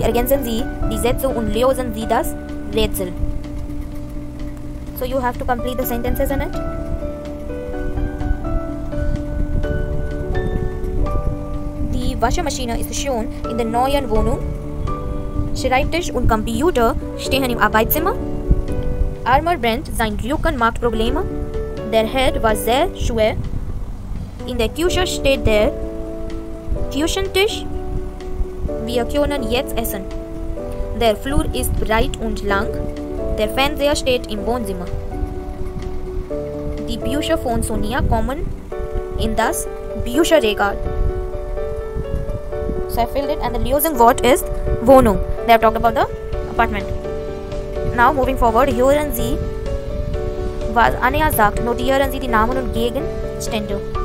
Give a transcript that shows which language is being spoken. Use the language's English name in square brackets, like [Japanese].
[German] Ergänzen Sie die Sätze und lösen Sie das Rätsel. [English] So you have to complete the sentences in it. [German] Die Waschmaschine ist schon in der neuen Wohnung. Schreibtisch und Computer stehen im Arbeitszimmer. Armer Brent sein Rücken macht Probleme. Der Herd war sehr schwer. In der Küche steht der Küchentisch. Wir können jetzt essen. Der Flur ist breit und lang. Der Fernseher steht im Wohnzimmer. Die Bücher von Sonia kommen in das Bücherregal. [English] So I filled it and the losing word is Wohnung. They have talked about the apartment. Now moving forward, [German] hören Sie, was Anja sagt. Notieren Sie die Namen und Gegenstände.